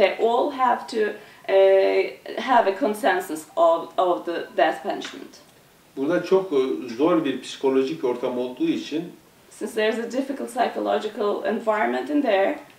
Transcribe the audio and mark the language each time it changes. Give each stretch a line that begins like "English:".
English: They all have to have a consensus of the death punishment.
Turkish: Burada çok zor bir psikolojik ortam olduğu için,
English: since there's a difficult psychological environment in there,